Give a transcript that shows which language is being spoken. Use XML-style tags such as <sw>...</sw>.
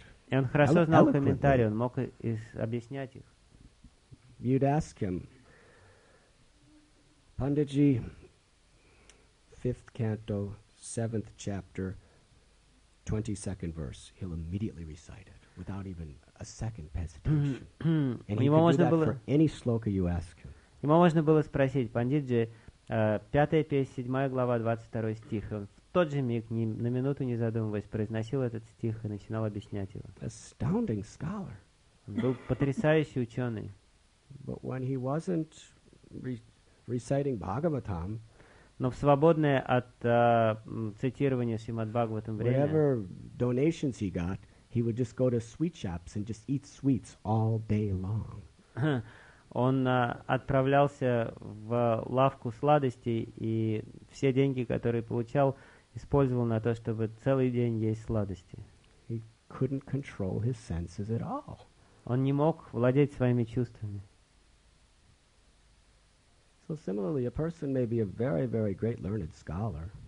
<ru>И он хорошо знал комментарии, он мог объяснять их.</ru> <en>You'd ask him, Пандиджи, 5th canto, 7th chapter, 22nd verse, he'll immediately recite it without even a second hesitation. And he can do that for any sloka you ask him.</en> <ru>Ему можно было спросить, Пандитджи, 5 песня, 7 глава, 22 стих. Он в тот же миг, ни на минуту не задумываясь, произносил этот стих и начинал объяснять его.</ru> <en>Astounding scholar.</en> <ru>Он был потрясающий ученый.</ru> <en>But when he wasn't reciting Bhagavatam,</en> <ru>но в свободное от цитирования Шримад-Бхагаватам время,</ru> <en>whatever donations he got, he would just go to sweet shops and just eat sweets all day long.</en> <ru>Он отправлялся в лавку сладостей и все деньги, которые получал, использовал на то, чтобы целый день есть сладости.</ru> <en>He couldn't control his senses at all.</en> <ru>Он не мог владеть своими чувствами.</ru> <en>So similarly, a person may be a very, very great learned scholar.</en>